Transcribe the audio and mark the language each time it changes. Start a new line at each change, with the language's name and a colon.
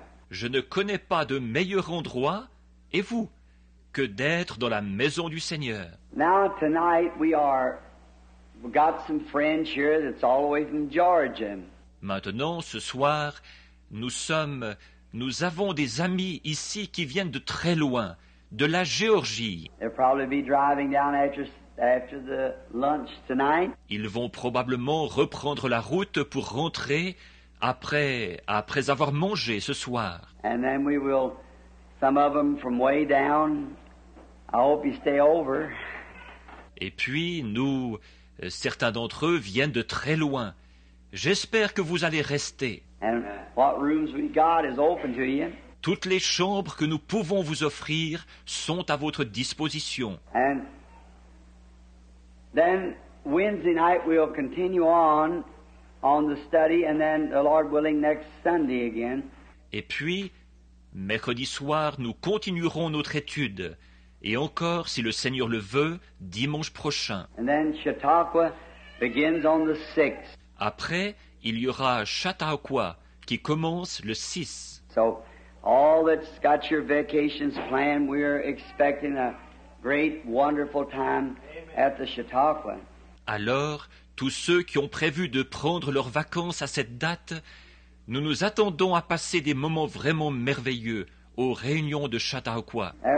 French: Je ne connais pas de meilleur endroit, et vous, que d'être dans la maison du Seigneur.
English: Now, tonight, we got some friends here that's all the way from Georgia.
French: Maintenant, ce soir, nous avons des amis ici qui viennent de très loin, de la Géorgie.
English: They'll probably be driving down after the lunch tonight.
French: Ils vont probablement reprendre la route pour rentrer après avoir mangé ce soir.
English: And then we will, some of them from way down, I hope you stay over.
French: Et puis nous, certains d'entre eux viennent de très loin. J'espère que vous allez rester.
English: And what rooms we got is open to you.
French: Toutes les chambres que nous pouvons vous offrir sont à votre disposition.
English: And then Wednesday night we'll continue on. On the study, and then, the Lord willing, next Sunday again.
French: Et puis, mercredi soir, nous continuerons notre étude, et encore, si le Seigneur le veut, dimanche prochain.
English: And then Chautauqua begins on the 6th.
French: Après, il y aura Chautauqua qui commence le 6.
English: So, all that's got your vacations planned, we're expecting a great, wonderful time at the Chautauqua.
French: Alors, tous ceux qui ont prévu de prendre leurs vacances à cette date, nous nous attendons à passer des moments vraiment merveilleux aux réunions de Chautauqua.